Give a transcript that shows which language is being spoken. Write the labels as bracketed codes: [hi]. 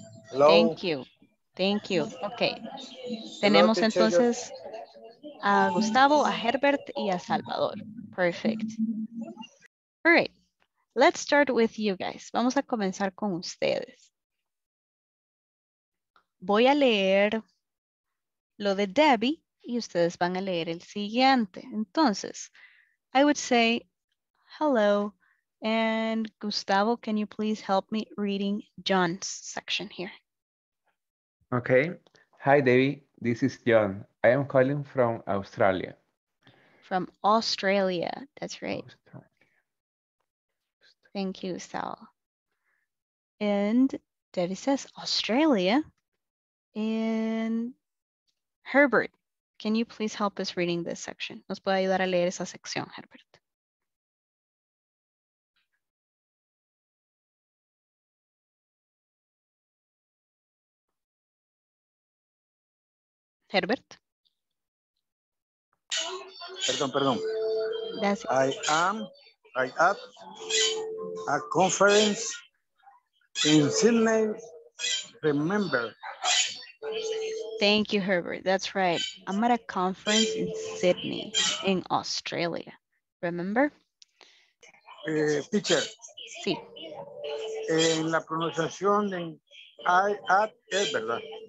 [en] Hello. Thank you. Thank you. Okay. [es] Tenemos entonces a Gustavo, a Herbert, y a Salvador. [en] Perfect. All right. Let's start with you guys. [es] Vamos a comenzar con ustedes. Voy a leer lo de Debbie y ustedes van a leer el siguiente. [en] Entonces, I would say, hello, and Gustavo, can you please help me reading John's section here? Okay. Hi, Debbie. This is John. I am calling from Australia. From Australia. That's right. Australia. Thank you, Sal. And Debbie says Australia. And Herbert, can you please help us reading this section? [es] ¿Nos puede ayudar a leer esa sección, Herbert? Herbert. Perdón, perdón. Gracias. [en] I am a conference in Sydney, remember. Thank you, Herbert. That's right. I'm at a conference in Sydney, in Australia. Remember? Teacher. [es] Sí. En la pronunciación de [en] I at [es] es verdad.